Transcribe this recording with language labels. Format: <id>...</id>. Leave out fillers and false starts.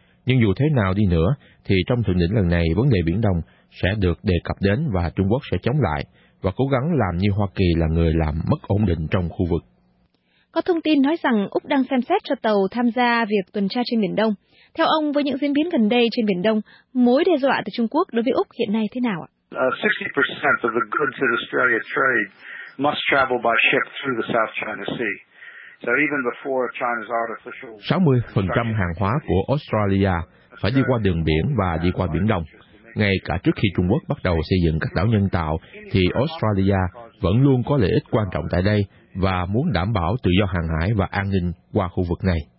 <vi>Nhưng dù thế nào đi nữa, thì trong thượng đỉnh lần này, vấn đề Biển Đông sẽ được đề cập đến và Trung Quốc sẽ chống lại, và cố gắng làm như Hoa Kỳ là người làm mất ổn định trong khu vực. Có thông tin nói rằng Úc đang xem xét cho tàu tham gia việc tuần tra trên Biển Đông. Theo ông, với những diễn biến gần đây trên Biển Đông, mối đe dọa từ Trung Quốc đối với Úc hiện nay thế nào ạ?</vi> <en>60% of the goods that Australia trade must travel by ship through the South China Sea.</en> <vi>60% hàng hóa của Australia phải đi qua đường biển và đi qua Biển Đông. Ngay cả trước khi Trung Quốc bắt đầu xây dựng các đảo nhân tạo, thì Australia vẫn luôn có lợi ích quan trọng tại đây và muốn đảm bảo tự do hàng hải và an ninh qua khu vực này.</vi>